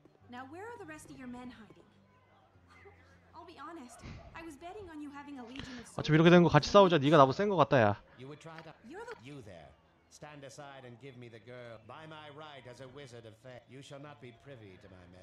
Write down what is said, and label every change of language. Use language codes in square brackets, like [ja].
[en] Now where are the rest of your men hiding? I'll be honest. I was betting on you having a legion of soldiers. [ko] 어차피 이렇게 된 거 같이 싸우자. 네가 나보다 센 거 같다, 야. [en] You there. Stand aside and give me the girl. By my right as a wizard of fate, you shall not be privy to my men.